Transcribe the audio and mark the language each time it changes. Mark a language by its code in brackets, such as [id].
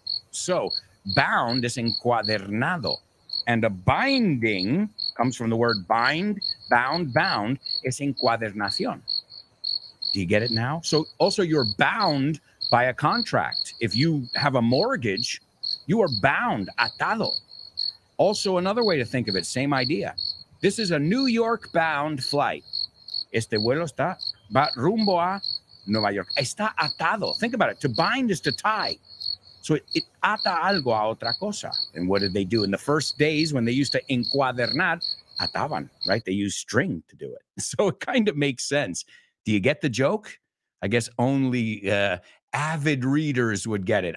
[en] So, bound is encuadernado. And a binding comes from the word bind, bound, bound is encuadernación. Do you get it now? So, also, you're bound by a contract. If you have a mortgage, you are bound, atado. Also, another way to think of it, same idea. This is a New York-bound flight. [es] Este vuelo está va rumbo a Nueva York. Está atado. [en] Think about it. To bind is to tie. So it [es] ata algo a otra cosa. [en] And what did they do in the first days when they used to encuadernar? Ataban, right? They used string to do it. So it kind of makes sense. Do you get the joke? I guess only avid readers would get it.